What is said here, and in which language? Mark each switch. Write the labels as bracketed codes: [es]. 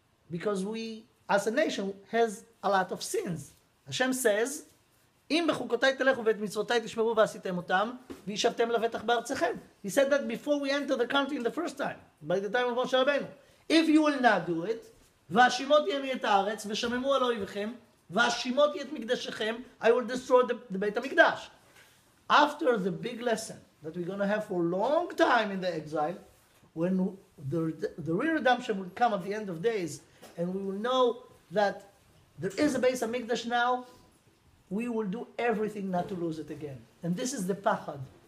[en] Because we, as a nation, has a lot of sins. Hashem says, [he] אם בחוקותיי תלכו ואת מצוותיי תשמרו ועשיתם אותם, וישבתם לבטח בארצכם. [en] He said that before we entered the country in the first time, by the time of Moshe Rabbeinu. If you will not do it, [he] והשימות יהיה את הארץ, ושממו על אויביכם, והשימות יהיה את מקדשכם, [en] I will destroy the בית המקדש. After the big lesson that we're going to have for a long time in the exile, when the real redemption will come at the end of days, and we will know that there is a base of Mikdash now, we will do everything not to lose it again. And this is the pachad.